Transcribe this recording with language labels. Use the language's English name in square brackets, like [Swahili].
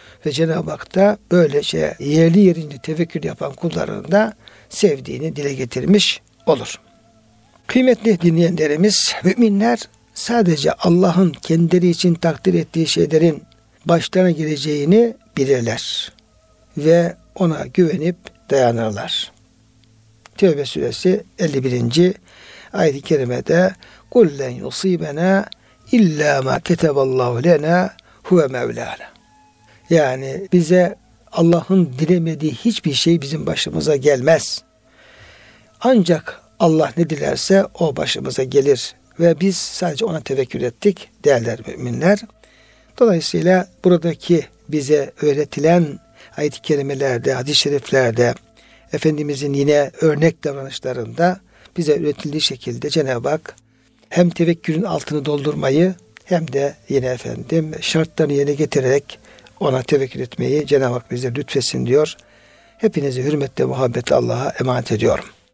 [Turkish] Ve Cenab-ı Hak da böylece yerli yerinde tevekkül yapan kullarını da sevdiğini dile getirmiş olur. Kıymetli dinleyenlerimiz, müminler sadece Allah'ın kendileri için takdir ettiği şeylerin başlarına geleceğini bilirler. Ve ona güvenip dayanırlar. Tevbe suresi 51. ayet-i kerimede [Arabic] قُلْ لَنْ يُصِيبَنَا اِلَّا مَا كَتَبَ اللّٰهُ لَنَا هُوَ مَوْلَانَا. [Turkish] Yani bize Allah'ın dilemediği hiçbir şey bizim başımıza gelmez. Ancak Allah ne dilerse o başımıza gelir. Ve biz sadece ona tevekkül ettik derler müminler. Dolayısıyla buradaki bize öğretilen ayet-i kerimelerde, hadis-i şeriflerde, Efendimizin yine örnek davranışlarında bize öğretildiği şekilde Cenab-ı Hak hem tevekkülün altını doldurmayı hem de yine efendim şartlarını yerine getirerek ona tevekkül etmeyi Cenab-ı Hak bize lütfetsin diyor. Hepinizi hürmetle, muhabbetle Allah'a emanet ediyorum.